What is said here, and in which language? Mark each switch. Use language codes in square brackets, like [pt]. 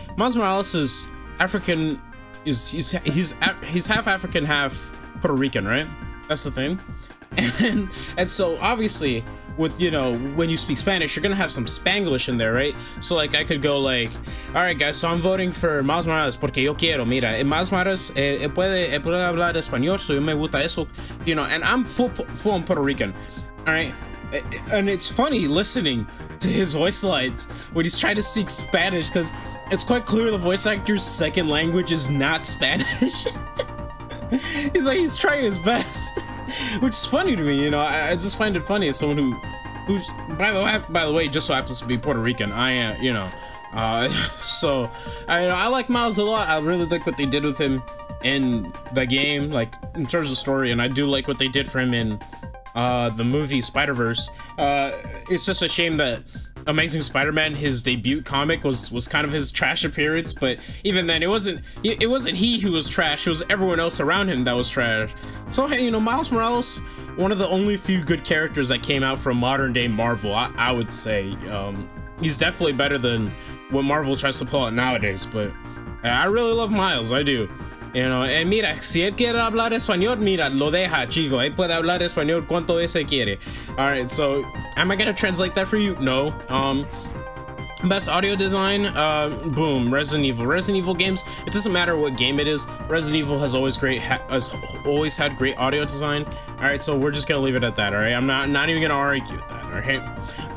[en] Miles Morales is African. He's half African, half Puerto Rican, right? That's the thing. And so obviously, with, you know, when you speak Spanish, you're gonna have some Spanglish in there, right? So like, I could go like, all right, guys, so I'm voting for Miles Morales [es] porque yo quiero. Mira, Miles Morales puede hablar español, so yo me gusta eso. [en] You know, and I'm full on Puerto Rican, all right. And it's funny listening to his voice lines when he's trying to speak Spanish, because it's quite clear the voice actor's second language is not Spanish. He's like, he's trying his best, which is funny to me. You know, I just find it funny as someone who's by the way, just so happens to be Puerto Rican. I am, you know, I like Miles a lot. I really like what they did with him in the game, like in terms of story, and I do like what they did for him in the movie Spider-Verse. It's just a shame that Amazing Spider-Man, his debut comic, was kind of his trash appearance. But even then, it wasn't he who was trash. It was everyone else around him that was trash. So hey, you know, Miles Morales, one of the only few good characters that came out from modern day Marvel, I would say. He's definitely better than what Marvel tries to pull out nowadays. But I really love Miles. I do. You know, and [es] mira, si él quiere hablar español, mira, lo deja, chico. Él puede hablar español cuanto ese quiere. [en] All right, so am I gonna translate that for you? No. Best audio design, boom, Resident Evil. Resident Evil games, it doesn't matter what game it is, Resident Evil has always had great audio design. All right, so we're just gonna leave it at that, all right? I'm not even gonna argue with that, all right?